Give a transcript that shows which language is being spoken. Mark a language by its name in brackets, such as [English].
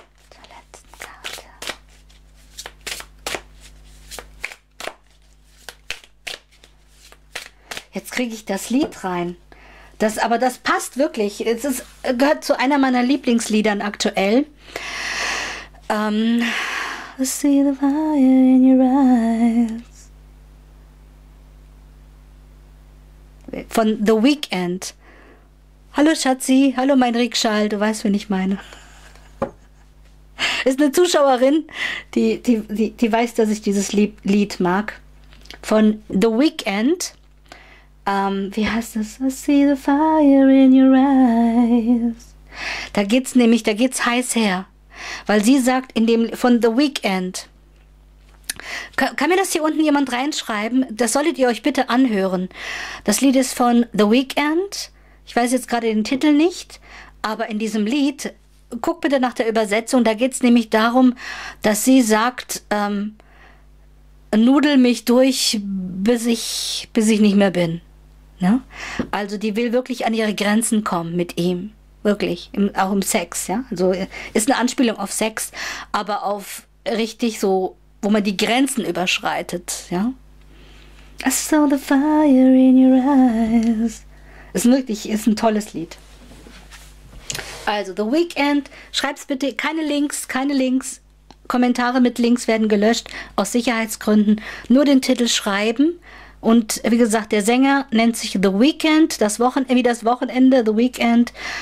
[German] Zur letzten Karte. Jetzt kriege ich das Lied rein. Das passt wirklich. Es gehört zu einer meiner Lieblingsliedern aktuell. [English] I see the fire in your eyes. [German] Von The Weeknd. Hallo Schatzi, hallo mein Rickschall, du weißt, wen ich meine. Ist eine Zuschauerin, die weiß, dass ich dieses Lied mag. Von The Weeknd. Wie heißt das? [English] I see the fire in your eyes. [German] Da geht's heiß her. Weil sie sagt in dem von The Weeknd. Kann mir das hier unten jemand reinschreiben? Das solltet ihr euch bitte anhören. Das Lied ist von The Weeknd. Ich weiß jetzt gerade den Titel nicht, aber in diesem Lied, guck bitte nach der Übersetzung, da geht es nämlich darum, dass sie sagt, nudel mich durch, bis ich nicht mehr bin. Ne? Also die will wirklich an ihre Grenzen kommen mit ihm. Wirklich, auch im Sex, ja. Also ist eine Anspielung auf Sex, aber auf richtig so, wo man die Grenzen überschreitet, ja. [English] I saw the fire in your eyes. [German] Ist ein tolles Lied. Also, The Weeknd, schreib's bitte, keine Links, Kommentare mit Links werden gelöscht, aus Sicherheitsgründen, nur den Titel schreiben. Und wie gesagt, der Sänger nennt sich The Weeknd, das Wochenende, The Weeknd.